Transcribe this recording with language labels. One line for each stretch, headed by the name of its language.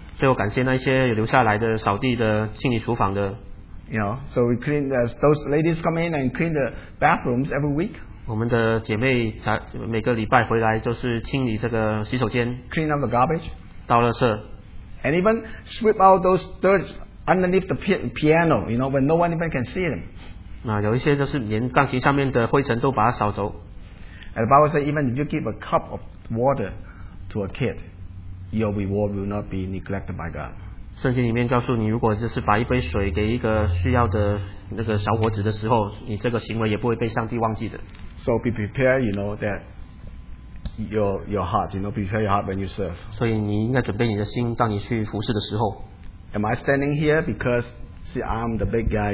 Chinese: 所以我感谢那些留下来的扫地的、清理厨房的。
English: You know, so we clean those ladies come in and clean the bathrooms every week.
Chinese: 我们的姐妹每个礼拜回来就是清理这个洗手间
English: clean up the garbage,
Chinese: 倒垃圾
English: and even sweep out those dirt underneath the piano, you know, when no one even can see them.
Chinese: 有一些就是连钢琴上面的灰尘都把它扫走
English: And the Bible says, even if you give a cup of water to a kid, your reward will not be neglected by God.
Chinese: 圣经里面告诉你，如果就是把一杯水给一个需要的那个小伙子的时候，你这个行为也不会被上帝忘记的。
English: So be prepared, you know that your heart, you know, prepare your heart when you serve.
Chinese: 所以你应该准备你的心，当你去服事的时候。
English: Am I standing here because see I'm the big guy?